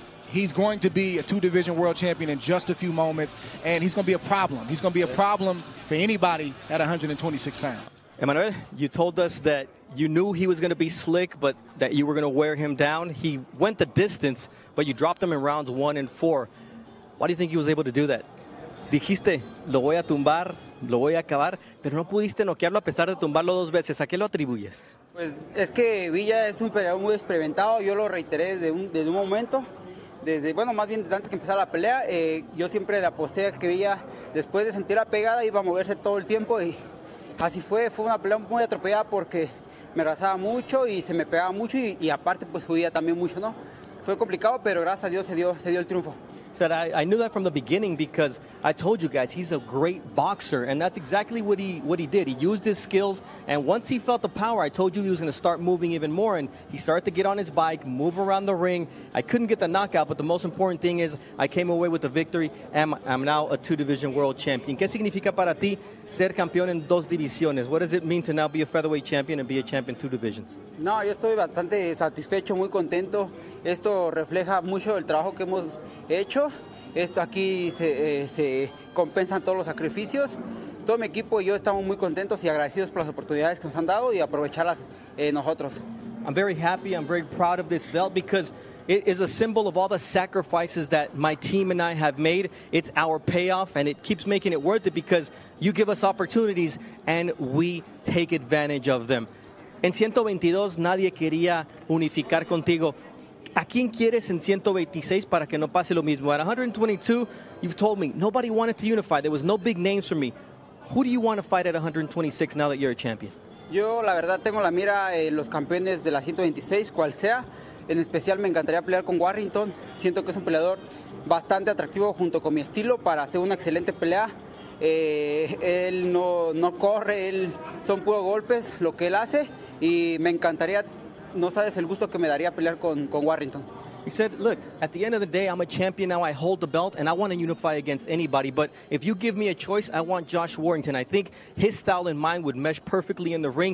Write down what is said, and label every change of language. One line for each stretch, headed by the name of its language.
English: He's going to be a two-division world champion in just a few moments, and he's going to be a problem. He's going to be a problem for anybody at 126 pounds. Emanuel, you told us that you knew he was going to be slick, but that you were going to wear him down. He went the distance, but you dropped him in rounds 1 and 4. Why do you think he was able to do that?
Spanish: Dijiste, lo voy a tumbar, lo voy a acabar, pero no pudiste noquearlo a pesar de tumbarlo dos veces. ¿A qué lo atribuyes? Pues es que Villa es un peleador muy experimentado. Yo lo reiteré desde un momento. Desde antes que empezara la pelea, yo siempre le aposté a que Villa, después de sentir la pegada, iba a moverse todo el tiempo. Y así fue. Fue una pelea muy atropellada porque me rasaba mucho y se me pegaba mucho. Y aparte, pues subía también mucho, ¿no? Fue complicado, pero gracias a Dios se dio el triunfo.
English: Said I knew that from the beginning because I told you guys he's a great boxer, and that's exactly what he did. He used his skills, and once he felt the power, I told you he was going to start moving even more, and he started to get on his bike, move around the ring. I couldn't get the knockout, but the most important thing is I came away with the victory, and I'm now a two-division world champion.
Spanish: ¿Qué significa para ti ser campeón en dos divisiones?
English: What does it mean to now be a featherweight champion and be a champion two divisions?
Spanish: No, yo estoy bastante satisfecho, muy contento. Esto refleja mucho el trabajo que hemos hecho. Esto aquí se compensan todos los sacrificios. Todo mi equipo y yo estamos muy contentos y agradecidos por las oportunidades que nos han dado y aprovecharlas nosotros.
English: I'm very happy, I'm very proud of this belt because it is a symbol of all the sacrifices that my team and I have made. It's our payoff, and it keeps making it worth it because you give us opportunities and we take advantage of them.
Spanish: En 122, nadie quería unificar contigo. ¿A quién quieres en 126 para que no pase lo mismo?
English: At 122, you've told me nobody wanted to unify. There was no big names for me. Who do you want to fight at 126 now that you're a champion?
Spanish: Yo, la verdad, tengo la mira en los campeones de la 126, cual sea. En especial, me encantaría pelear con Warrington. Siento que es un peleador bastante atractivo junto con mi estilo para hacer una excelente pelea. Él no corre, él son puros golpes lo que él hace. Y me encantaría, no sabes el gusto que me daría pelear con Warrington.
English: He said, look, at the end of the day, I'm a champion now. I hold the belt, and I want to unify against anybody. But if you give me a choice, I want Josh Warrington. I think his style and mine would mesh perfectly in the ring.